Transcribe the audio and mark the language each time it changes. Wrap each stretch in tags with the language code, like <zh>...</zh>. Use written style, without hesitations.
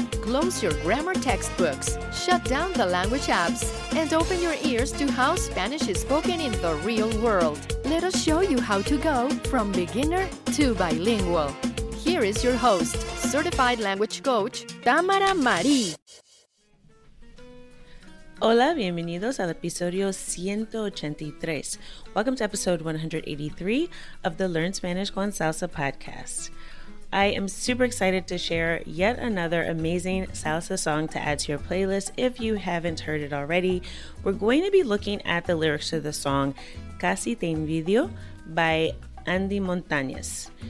<en>Close your grammar textbooks, shut down the language apps, and open your ears to how Spanish is spoken in the real world. Let us show you how to go from beginner to bilingual. Here is your host, certified language coach, Tamara Marie.</en> <es>Hola, bienvenidos al episodio 183.</es> <en>Welcome to episode 183 of the Learn Spanish con Salsa podcast. I am super excited to share yet another amazing salsa song to add to your playlist. If you haven't heard it already, we're going to be looking at the lyrics to the song Casi Te Envidio by Andy Montañez.</en>